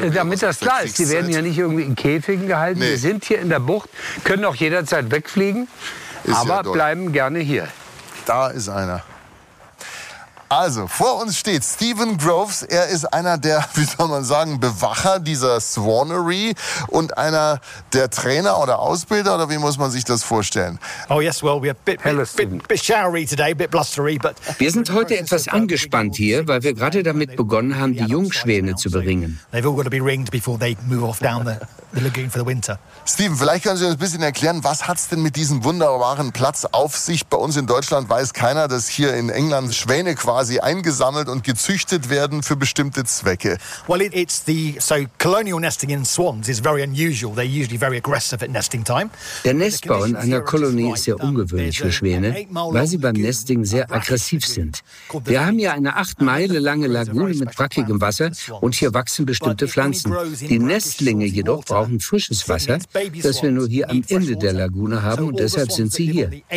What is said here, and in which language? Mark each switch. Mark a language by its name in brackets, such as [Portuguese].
[German] also, damit das klar ist, die werden ja nicht irgendwie in Käfigen gehalten. Nee. Die sind hier in der Bucht, können auch jederzeit wegfliegen, ist aber bleiben gerne hier. Da ist einer. Also, vor uns steht Stephen Groves. Er ist einer der, wie soll man sagen, Bewacher dieser Swanery und einer der Trainer oder Ausbilder, oder wie muss man sich das vorstellen? [English] Oh yes, well, we're a bit showery today, a bit blustery, but... [German] Wir sind heute etwas angespannt hier, weil wir gerade damit begonnen haben, die Jungschwäne zu beringen. [English] They've all got to be ringed before they move off down the lagoon for the winter. [German] Stephen, vielleicht können Sie uns ein bisschen erklären, was hat es denn mit diesem wunderbaren Platz auf sich? Bei uns in Deutschland weiß keiner, dass hier in England Schwäne quasi quasi eingesammelt und gezüchtet werden für bestimmte Zwecke. [English] Well, it's the so colonial nesting in swans is very unusual. They're usually very aggressive at nesting time. [German] Der Nestbau in einer Kolonie ist sehr ungewöhnlich für Schwäne, weil sie beim Nesting sehr aggressiv sind. Wir haben hier eine 8 Meile lange Lagune mit brackigem Wasser und hier wachsen bestimmte Pflanzen. Die Nestlinge jedoch brauchen frisches Wasser, das wir nur hier am Ende der Lagune haben und deshalb sind sie hier.